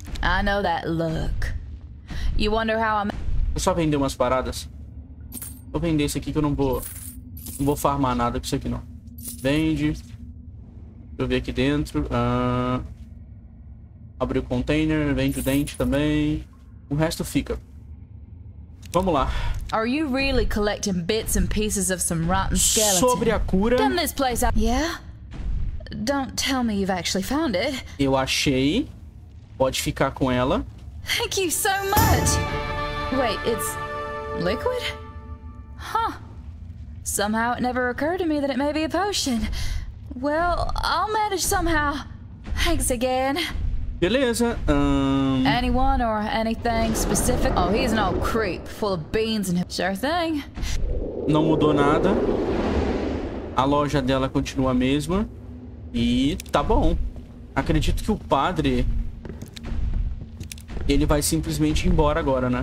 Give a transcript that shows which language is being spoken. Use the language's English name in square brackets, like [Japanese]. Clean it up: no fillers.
[English] I know that look. You wonder how I'm... [Portuguese] Vou só vender umas paradas. Vou vender esse aqui que eu não vou farmar nada com isso aqui, não. Vende. Deixa eu ver aqui dentro. Abri o container, vende o dente também. O resto fica. Vamos lá. [English] Are you really collecting bits and pieces of some rotten skeleton? [Portuguese] Sobre a cura. [English] Done this place up. Yeah? Don't tell me you've actually found it. [Portuguese] Eu achei. Pode ficar com ela. [English] Thank you so much. Wait, it's liquid? Huh. Somehow it never occurred to me that it may be a potion. Well, I'll manage somehow. Thanks again. [Portuguese] Beleza. [English] Anyone or anything specific? Oh, he's an old creep, full of beans and sure thing. [Portuguese] Não mudou nada. A loja dela continua a mesma. E tá bom. Acredito que o padre, ele vai simplesmente embora agora, né?